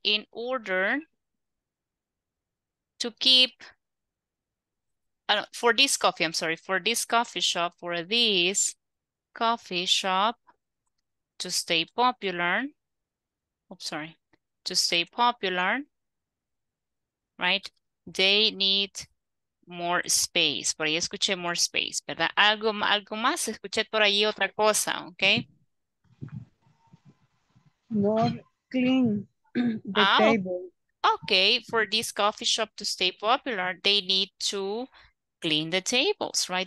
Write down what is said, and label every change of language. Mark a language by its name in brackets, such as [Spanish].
[English] In order to keep, for this coffee, I'm sorry, for this coffee shop, for this coffee shop to stay popular, to stay popular, right? They need more space, [Spanish] por ahí escuché [English] more space, ¿verdad? [Spanish] Algo más, escuché por ahí otra cosa, ¿ok? [English] More clean the table. Okay, for this coffee shop to stay popular, they need to clean the tables, right?